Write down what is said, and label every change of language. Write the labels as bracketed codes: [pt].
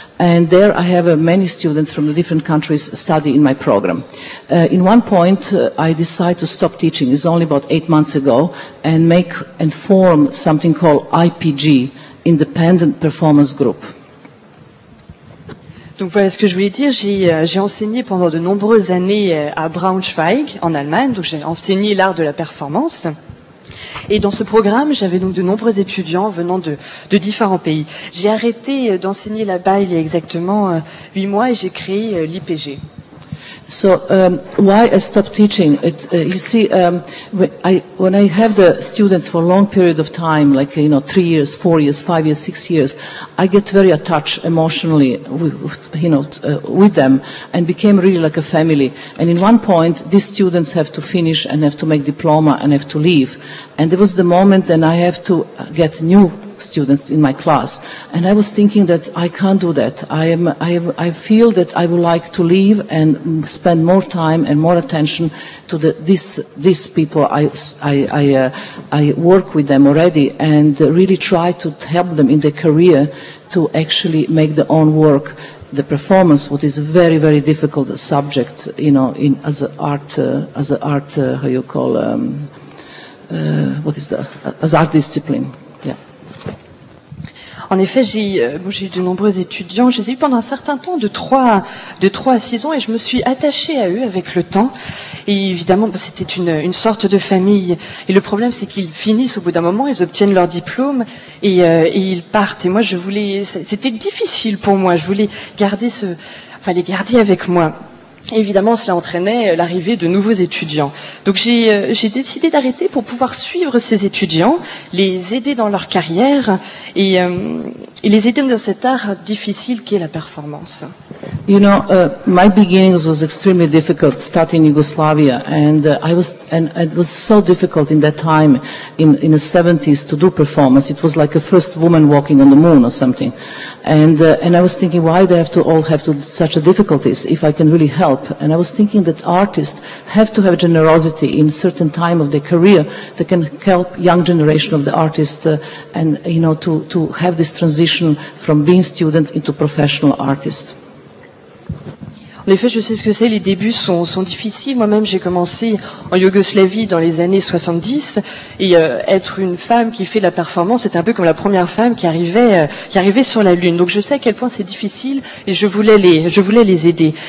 [en] And there I have many students from the different countries study in my program. In one point, I decided to stop teaching. It's only about 8 months ago, and make and form something called IPG, Independent Performance Group. [fr] Donc voilà ce que je voulais dire. J'ai enseigné pendant de nombreuses années à Braunschweig, en Allemagne. Donc j'ai enseigné l'art de la performance. Et dans ce programme, j'avais donc de nombreux étudiants venant de différents pays. J'ai arrêté d'enseigner là-bas il y a exactement 8 mois et j'ai créé l'IPG. [en] So why I stopped teaching? When I have the students for a long period of time, like you know, 3 years, 4 years, 5 years, 6 years, I get very attached emotionally with them and became really like a family. And in one point, these students have to finish and have to make diploma and have to leave. And there was the moment that I have to get new students in my class, and I was thinking that I can't do that. I feel that I would like to leave and spend more time and more attention to these people. I work with them already and really try to help them in their career to actually make their own work, the performance, which is a very, very difficult subject, you know, in as art discipline. [fr] En effet, j'ai eu de nombreux étudiants. J'ai eu pendant un certain temps, de trois à six ans, et je me suis attachée à eux avec le temps. Et évidemment, c'était une sorte de famille. Et le problème, c'est qu'ils finissent au bout d'un moment, ils obtiennent leur diplôme et ils partent. Et moi, c'était difficile pour moi. Je voulais les garder avec moi. Et évidemment, cela entraînait l'arrivée de nouveaux étudiants. Donc j'ai décidé d'arrêter pour pouvoir suivre ces étudiants, les aider dans leur carrière et les aider dans cet art difficile qu'est la performance. [en] You know, my beginnings was extremely difficult starting in Yugoslavia, and it was so difficult in that time in the 70s to do performance. It was like a first woman walking on the moon or something. And I was thinking, why they have to all have to such a difficulties if I can really help? And I was thinking that artists have to have generosity in certain time of their career that can help young generation of the artists to have this transition from being student into professional artist. [fr] En effet, je sais ce que c'est, les débuts sont difficiles. Moi-même, j'ai commencé en Yougoslavie dans les années 70, et être une femme qui fait de la performance, c'était un peu comme la première femme qui arrivait sur la Lune. Donc je sais à quel point c'est difficile, et je voulais les aider.